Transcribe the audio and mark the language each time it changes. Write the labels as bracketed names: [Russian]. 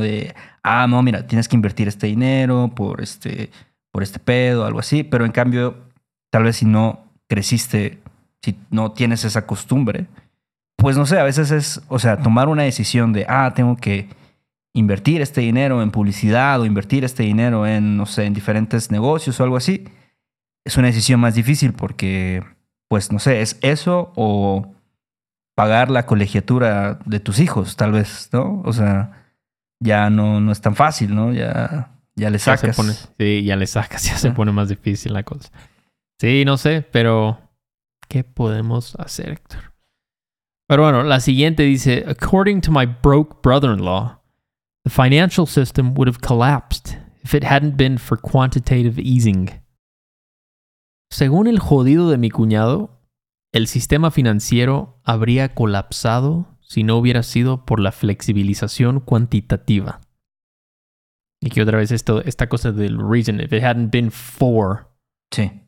[Spanish] De, no, mira, tienes que invertir este dinero por este pedo, algo así, pero en cambio, tal vez si no creciste, si no tienes esa costumbre, pues no sé, a veces es, o sea, tomar una decisión de, tengo que invertir este dinero en publicidad o invertir este dinero en, no sé, en diferentes negocios o algo así, es una decisión más difícil porque, pues no sé, es eso o pagar la colegiatura de tus hijos, tal vez, ¿no? O sea, ya no es tan fácil, ¿no? Ya le sacas. Se pone más difícil la cosa. Sí, no sé, pero ¿qué podemos hacer, Héctor? Pero bueno, la siguiente dice, [English] according to my broke brother-in-law, the financial system would have collapsed if it hadn't been for quantitative easing. [Spanish] Según el jodido de mi cuñado, el sistema financiero habría colapsado si no hubiera sido por la flexibilización cuantitativa. Y que otra vez esta cosa del reason, [English] if it hadn't been for. [Spanish] Sí.